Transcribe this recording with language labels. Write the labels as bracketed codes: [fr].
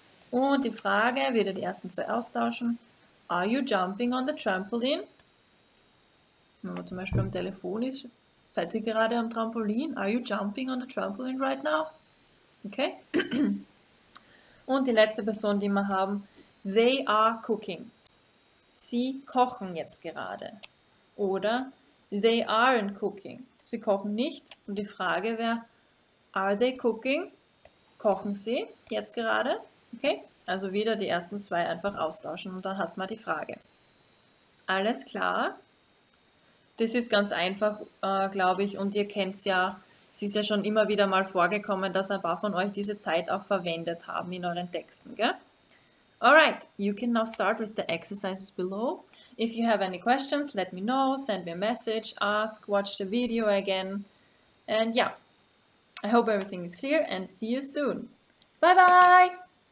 [de] Und die Frage, wieder die ersten zwei austauschen. [en] Are you jumping on the trampoline? [de] Wenn man zum Beispiel am Telefon ist, seid ihr gerade am Trampolin? [en] Are you jumping on the trampoline right now? [de] Okay. Und die letzte Person, die wir haben, [en] they are cooking. [de] Sie kochen jetzt gerade. Oder [en] they aren't cooking. [de] Sie kochen nicht. Und die Frage wäre, [en] are they cooking? [de] Kochen sie jetzt gerade? Okay. Also wieder die ersten zwei einfach austauschen und dann hat man die Frage. Alles klar? Das ist ganz einfach, glaube ich, und ihr kennt es ja, es ist ja schon immer wieder mal vorgekommen, dass ein paar von euch diese Zeit auch verwendet haben in euren Texten, gell? [en] Alright, you can now start with the exercises below. If you have any questions, let me know, send me a message, ask, watch the video again. And yeah, I hope everything is clear and see you soon. Bye bye!